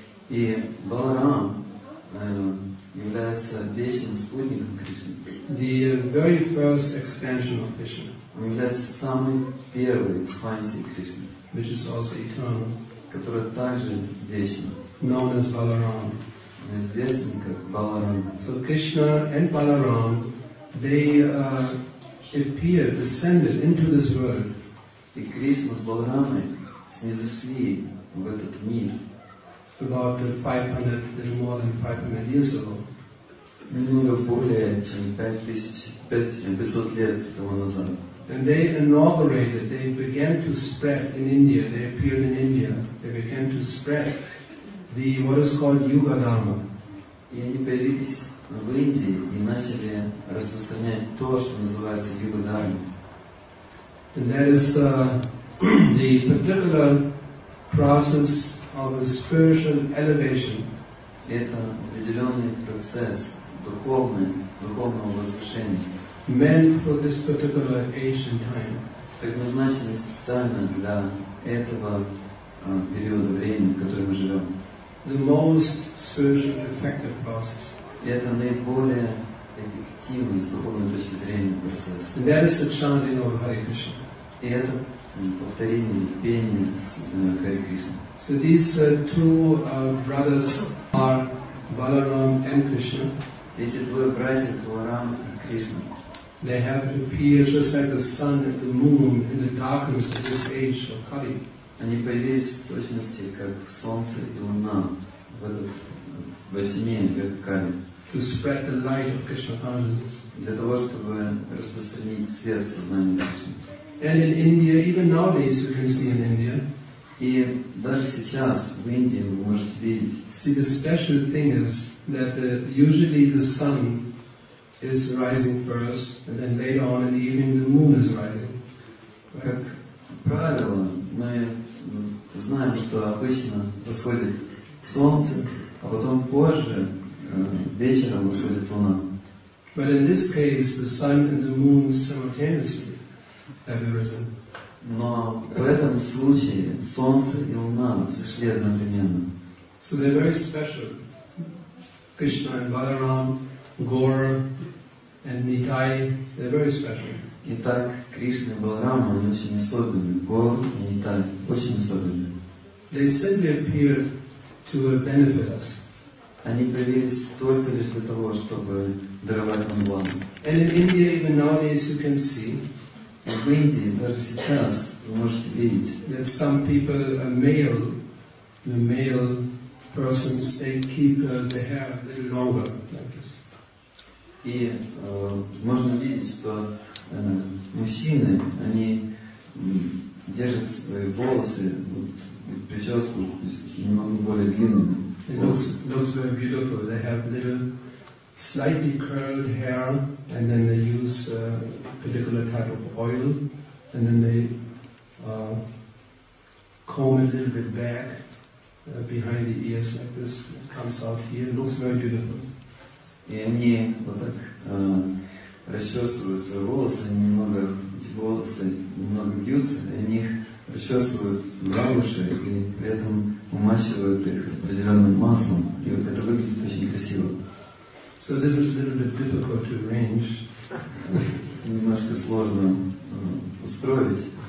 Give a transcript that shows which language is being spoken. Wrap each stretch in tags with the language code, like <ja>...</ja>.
<ru>И Баларам является вечным спутником Кришны.</ru> <en>The very first expansion of Krishna.</en> <ru>Он является самой первой экспансией Кришны.</ru> <en>Which is also eternal.</en> <ru>Которая также вечна.</ru> <en>Known as Balaram.</en> <ru>Известен как Баларам.</ru> <en>So Krishna and Balaram, they appeared, descended into this world.</en> <ru>И Кришна с Баларамой снизошли в этот мир.</ru> <en>About 500, a little more than 500 years ago.</en> <ru>Немного более чем 500 лет тому назад.</ru> <en>And they inaugurated, they began to spread in India, they appeared in India, they began to spread the what is called Yuga Dharma.</en> <ru>И они появились в Индии и начали распространять то, что называется Юга Дхарма.</ru> <en>And that is the particular process of a spiritual elevation.</en> <ru>Это определенный процесс духовного возвышения.</ru> <en>Meant for this particular ancient time.</en> <ru>Предназначены специально для этого периода времени, в котором мы живем.</ru> <en>The most spiritually effective process.</en> <ru>Это наиболее эффективный с духовной точки зрения процесс.</ru> <en>And that is the chanting of Hare Krishna.</en> <ru>И это повторение пения с Харе Кришна.</ru> <en>So these two brothers are Balaram and Krishna.</en> <ru>Эти двое братья Баларама и Кришна.</ru> <en>They have appeared just like the sun and the moon in the darkness of this age of Kali.</en> <ru>Они появились в точности как солнце и луна в тьме как Кали.</ru> <en>To spread the light of Krishna consciousness.</en> <ru>Для того чтобы распространить свет сознания Кришны.</ru> <en>And in India, even nowadays, you can see in India.</en> <ru>И даже сейчас в Индии вы можете видеть.</ru> <en>See, the special thing is that usually the sun is rising first, and then later on in the evening the moon is rising.</en> <ru>Как правило, мы знаем, что обычно восходит солнце, а потом позже вечером восходит луна.</ru> <en>But in this case, the sun and the moon simultaneously. Have arisen.</en> <ru>Но в этом случае солнце и луна взошли одновременно.</ru> <en>So they're very special. Krishna and Balaram, Gaur and Nitai, they're very special.</en> <ru>Итак, Кришна и Баларама очень особенные. Гор и Нитай очень особенные.</ru> <en>They simply appeared to benefit us.</en> <ru>Они появились только лишь для того, чтобы даровать нам благо.</ru> <en>And in India, even nowadays, you can see.</en> <ru>В Индии даже сейчас вы можете видеть,</ru> <en>that some people, the male persons, they keep the hair a little longer like this.</en> <ru>И можно видеть, что мужчины они держат свои волосы, вот, прическу немного более длинными.</ru> <en>It looks very beautiful. They have little slightly curled hair, and then they use a particular type of oil, and then they comb it a little bit back behind the ears like this. It comes out here. It looks very beautiful.</en> <ru>И они вот так расчесывают свои волосы, немного эти волосы немного бьются, и они их расчесывают за уши и при этом умачивают их определенным маслом, и это выглядит очень красиво.</ru> <en>So this is a little bit difficult to arrange.</en> <ru>Немножко сложно устроить.</ru>